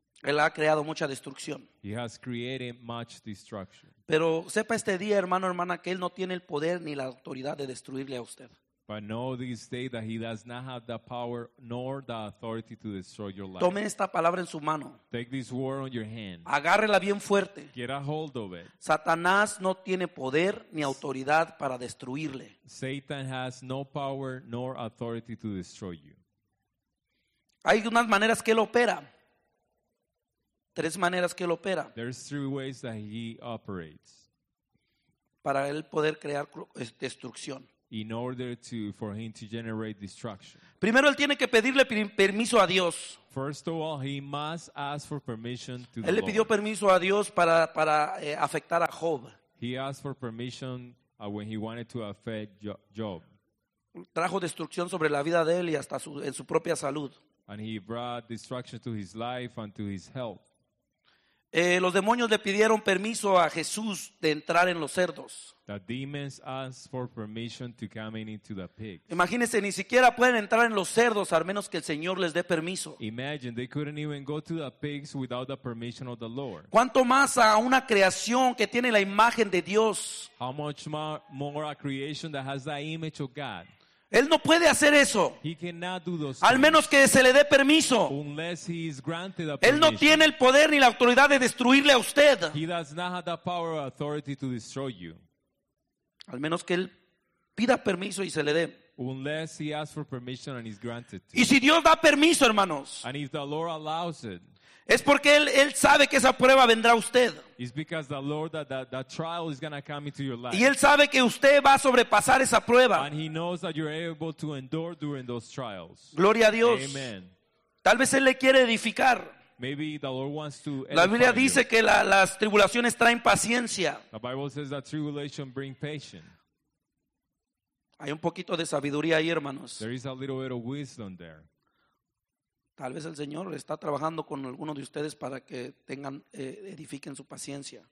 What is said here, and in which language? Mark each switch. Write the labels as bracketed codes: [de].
[es] Él ha creado mucha destrucción. [en] He has created much destruction. [es] Pero sepa este día, hermano, hermana, que él no tiene el poder ni la autoridad de destruirle a usted. [en] But know this day that he does not have the power nor the authority to destroy your life. [es] Tome esta palabra en su mano. [en] Take this word on your hand. [es] Agárrela bien fuerte. [en] Get a hold of it. [es] Satanás no tiene poder ni autoridad para destruirle. [en] Satan has no power nor authority to destroy you. [es] Hay unas maneras que él opera. Tres maneras que él opera. [en] There's three ways that he operates. [es] Para él poder crear destrucción. [en] In order to for him to generate destruction. [es] Primero él tiene que pedirle permiso a Dios. [en] First of all, he must ask for permission to [es] él [en] the [es] le pidió [en] Lord. [es] Permiso a Dios para afectar a Job. [en] He asked for permission when he wanted to affect Job. [es] Trajo destrucción sobre la vida de él y hasta en su propia salud. [en] And he brought destruction to his life and to his health. [es] Los demonios le pidieron permiso a Jesús de entrar en los cerdos. [en] The demons asked for permission to come into the pigs. [es] Imagínense, ni siquiera pueden entrar en los cerdos a menos que el Señor les dé permiso. [en] Imagine, they couldn't even go to the pigs without the permission of the Lord. [es] ¿Cuánto más a una creación que tiene la imagen de Dios? [en] How much more a creation that has the image of God? [es] Él no puede hacer eso. [en] He cannot do those things. [es] Al menos que se le dé permiso. [en] Unless he is granted a permission. [es] Él no tiene el poder ni la autoridad de destruirle a usted. [en] He does not have the power or authority to destroy you. [es] Al menos que él pida permiso y se le dé. [en] Unless he asks for permission and is granted. [es] Y si Dios da permiso, hermanos. [en] And if the Lord allows it. [es] Es porque él sabe que esa prueba vendrá a usted. [en] It's because the Lord that trial is going to come into your life. [es] Y él sabe que usted va a sobrepasar esa prueba. [en] And he knows that you're able to endure during those trials. [es] Gloria a Dios. [en] Amen. [es] Tal vez él le quiere edificar. [en] Maybe the Lord wants to edify. [es] La Biblia dice [en] you. [es] Que las tribulaciones traen paciencia. [en] The Bible says that tribulation bring patience. [es] Hay un poquito de sabiduría ahí, hermanos. [en] There is a little bit of wisdom there. [es] Tal vez el Señor está trabajando con alguno de ustedes para que tengan edifiquen su paciencia.